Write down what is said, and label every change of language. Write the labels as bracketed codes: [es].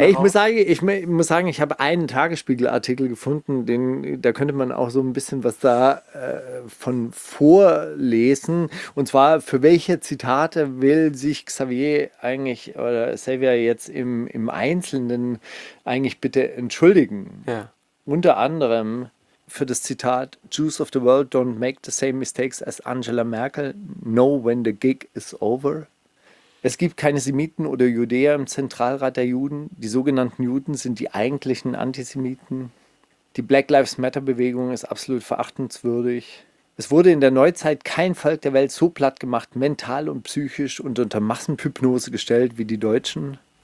[de] Ey, ich muss sagen, ich habe einen Tagesspiegelartikel gefunden, da könnte man auch so ein bisschen was da von vorlesen. Und zwar, für welche Zitate will sich Xavier jetzt im Einzelnen eigentlich bitte entschuldigen? Ja. Unter anderem für das Zitat [en] Jews of the world don't make the same mistakes as Angela Merkel, know when the gig is over. [de] Es gibt keine Semiten oder Judäer im Zentralrat der Juden. Die sogenannten Juden sind die eigentlichen Antisemiten. Die Black Lives Matter-Bewegung ist absolut verachtenswürdig. Es wurde in der Neuzeit kein Volk der Welt so platt gemacht, mental und psychisch und unter Massenhypnose gestellt wie die Deutschen.